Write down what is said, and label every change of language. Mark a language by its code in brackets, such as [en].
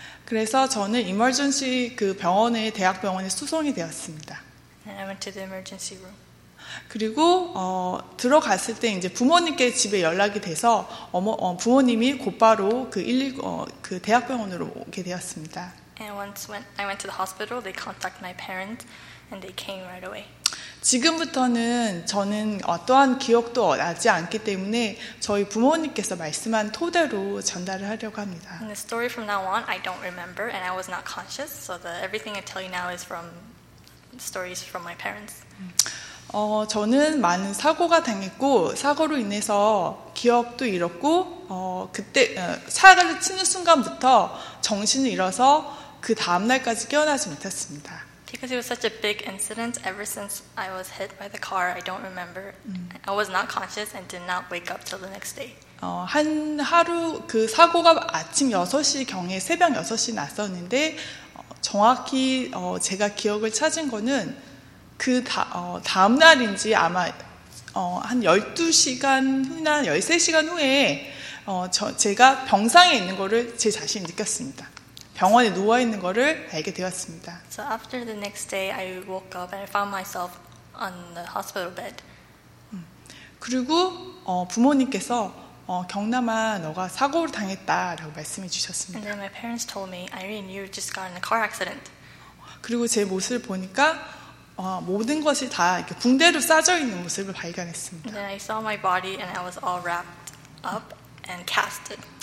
[ko] 그래서 저는 emergency 그 병원에 대학병원에 수송이 되었습니다. [en] And I went to the emergency room. [ko] 그리고 들어갔을 때 이제 부모님께 집에 연락이 돼서 부모님이 곧바로 그 대학병원으로 오게 되었습니다. [en] And once I went to the hospital, they contacted my parents, and they came right away. [ko] 지금부터는 저는 어떠한 기억도 나지 않기 때문에 저희 부모님께서 말씀한 토대로 전달을 하려고 합니다. [en] And the story from now on, I don't remember, and I was not conscious. So everything I tell you now is from stories from my parents. [ko] 저는 많은 사고가 당했고 사고로 인해서 기억도 잃었고 그때 차를 치는 순간부터 정신을 잃어서 그 다음 날까지 깨어나지 못했습니다. [en] Because it was such a big incident, ever since I was hit by the car, I don't remember. I was not conscious and did not wake up till the next day. [ko] 한 하루 그 사고가 아침 6시 경에 새벽 6시 났었는데 정확히 제가 기억을 찾은 거는 그 다음 날인지 아마 한 12시간 후나 13시간 후에 제가 병상에 있는 거를 제 자신이 느꼈습니다. 병원에 누워 있는 거를 알게 되었습니다. [en] So after the next day I woke up and I found myself on the hospital bed. [ko] 그리고 부모님께서 경남아 너가 사고를 당했다라고 말씀해 주셨습니다. [en] And then my parents told me, Irene, you just got in a car accident. [ko] 그리고 제 모습을 보니까 모든 것이 다 이렇게 붕대로 싸져 있는 모습을 발견했습니다. [en] And then I saw my body and I was all wrapped up and casted.